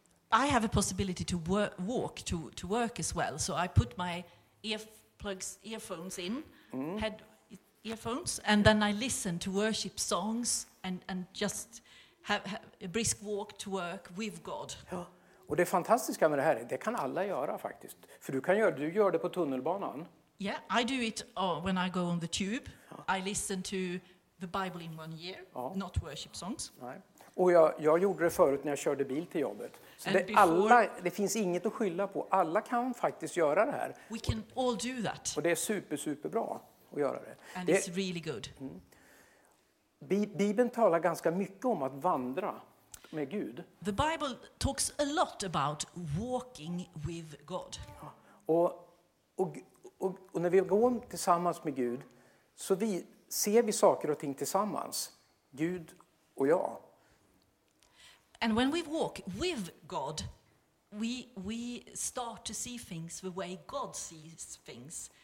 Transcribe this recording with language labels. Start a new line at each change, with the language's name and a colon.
English: I have a possibility to walk to work as well, so I put my earphones in, head earphones, and then I listen to worship songs and just have a brisk walk to work with God.
Swedish: Ja. Och det fantastiska med det här är, det kan alla göra faktiskt, för du gör det på tunnelbanan.
English: Yeah, I do it when I go on the tube. I listen to the Bible in one year, not worship songs.
Swedish: Nej. Och jag gjorde det förut när jag körde bil till jobbet. Så det,
English: before,
Swedish: alla, det finns inget att skylla på. Alla kan faktiskt göra det här.
English: We can all do that.
Swedish: Och det är super bra att göra det.
English: And
Swedish: det,
English: it's really good.
Swedish: Bibeln talar ganska mycket om att vandra med Gud.
English: The Bible talks a lot about walking with God.
Swedish: Ja. Och när vi går tillsammans med Gud så ser vi saker och ting tillsammans. Gud och jag.
English: And when we walk with God, we start to see things the way God sees things.